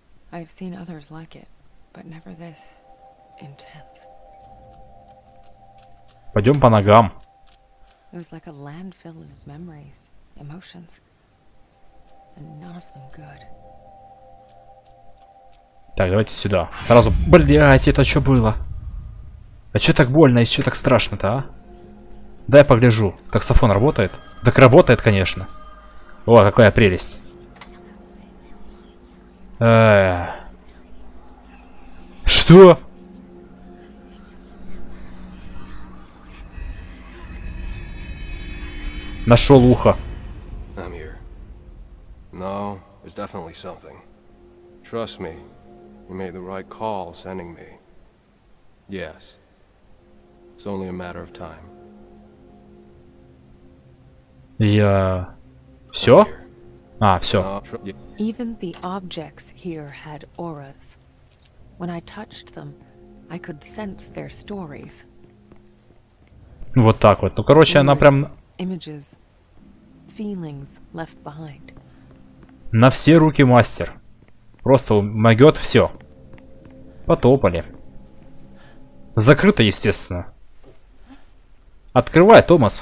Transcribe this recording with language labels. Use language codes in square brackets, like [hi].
[en] I've seen others like it, but never this intense. [ru] Пойдем по ногам. [en] It was like a landfill of memories, emotions, and none of them good. [ru] Так, давайте сюда. Сразу, блядь, это что было? А что так больно и что так страшно-то, а? Дай погляжу. Таксофон работает? Так работает, конечно. О, какая прелесть. Что? Нашел ухо. [en] I'm here. No, there's definitely something. Trust me. You made the right call sending me. Yes. It's only a matter of time. [ru] Я... Все? А, все. [en] Even the objects here had auras. When I touched them, I could sense their stories. [ru] Вот так вот. Ну, короче, она прям... [en] Images, feelings left behind. [ru] На все руки мастер. Просто могёт все. Потопали. Закрыто, естественно. Открывай, Томас.